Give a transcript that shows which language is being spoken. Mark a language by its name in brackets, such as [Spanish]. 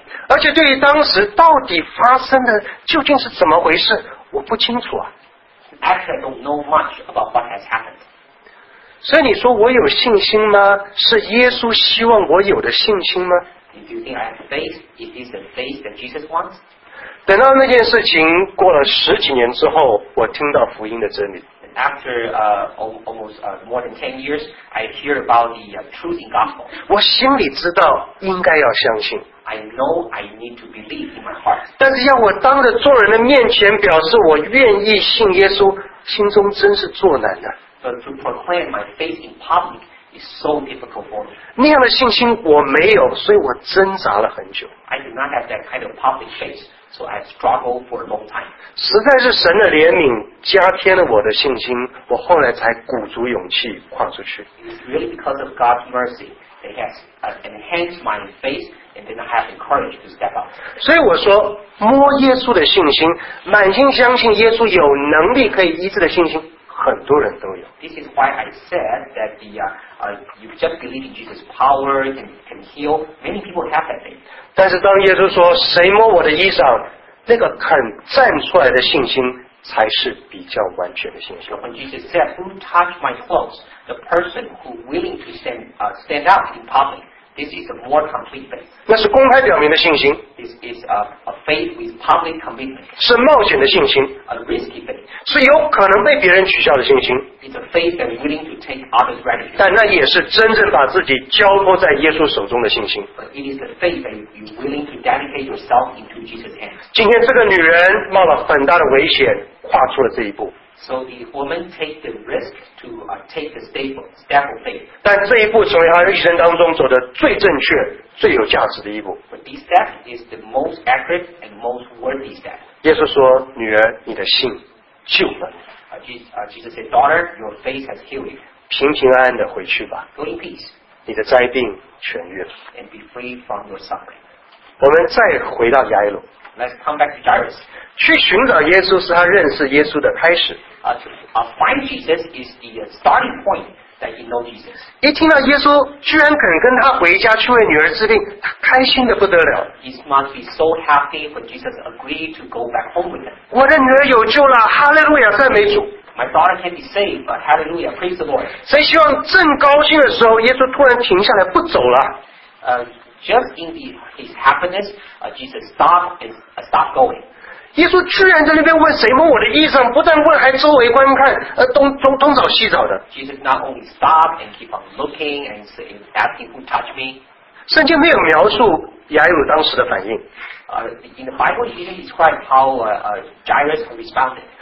[Chinese] 而且对于当时到底发生的究竟是怎么回事，我不清楚啊。 [English] Actually, I don't know much about what has happened. [Chinese] 所以你说我有信心吗？是耶稣希望我有的信心吗？ [English] Do you think I have faith? Is this the faith that Jesus wants? [Chinese] 等到那件事情过了十几年之后，我听到福音的真理。 [English] After almost more than 10 years, I hear about the truth in gospel. [Chinese] 我心里知道应该要相信。 [English] I know I need to believe in my heart. [Chinese] 但是要我当着众人的面前表示我愿意信耶稣，心中真是作难的。 [English] But to proclaim my faith in public is so difficult for me. [Chinese] 那样的信心我没有，所以我挣扎了很久。 [English] I do not have that kind of public faith. So I struggled for a long time. [Chinese] 实在是神的怜悯加添了我的信心，我后来才鼓足勇气跨出去。 [English] It's really because of God's mercy that has enhanced my faith, and then I have the courage to step out. [Chinese] 所以我说，摸耶稣的信心，满心相信耶稣有能力可以医治的信心，很多人都有。 [English] This is why I said that the you just believe in Jesus' power and can heal. Many people have that faith. [Chinese] 但是当耶稣说谁摸我的衣裳，那个肯站出来的信心才是比较完全的信心。 [English] When Jesus said, "Who touched my clothes?" The person who willing to stand up in public, this is a more complete faith. [Chinese] 那是公开表明的信心。 [English] This is a faith with public commitment. [Chinese] 是冒险的信心。 [English] A risky faith. [Chinese] 是有可能被别人取笑的信心。 [English] It's a faith that willing to take others' ridicule. [Chinese] 但那也是真正把自己交托在耶稣手中的信心。 [English] It is a faith that you willing to dedicate yourself into Jesus' hands. [Chinese] 今天这个女人冒了很大的危险，跨出了这一步。 [English] So the woman take the risk to take the step of faith. [Chinese] 但这一步成为她一生当中走的最正确、最有价值的一步。 [English] But this step is the most accurate and most worthy step. [Chinese] 耶稣说：“女儿，你的信救了。” [English] Jesus said, "Daughter, your faith has healed you." [Chinese] 平平安安的回去吧。 [English] Go in peace. [Chinese] 你的灾病痊愈了。 [English] And be free from your suffering. [Chinese] 我们再回到雅各。 [English] Let's come back to Jairus. [Chinese] 去寻找耶稣是他认识耶稣的开始。 [English] Find Jesus is the starting point that he knows Jesus. [Chinese] 一听到耶稣居然肯跟他回家去为女儿治病，他开心的不得了。 [English] He must be so happy when Jesus agreed to go back home with him. [Chinese] 我的女儿有救了，哈利路亚，赞美主。 [English] My daughter can be saved, but hallelujah, praise the Lord. [Chinese] 谁希望正高兴的时候，耶稣突然停下来不走了？ [English] Just in his happiness, Jesus stopped going. [Chinese] 耶稣居然在那边问谁摸我的衣裳，不但问，还周围观看，东找西找的。 [English] Jesus not only stopped and keep on looking and asking who touched me. [Chinese] 圣经没有描述雅各当时的反应。 [English] In the Bible, it didn't describe how Jairus responded.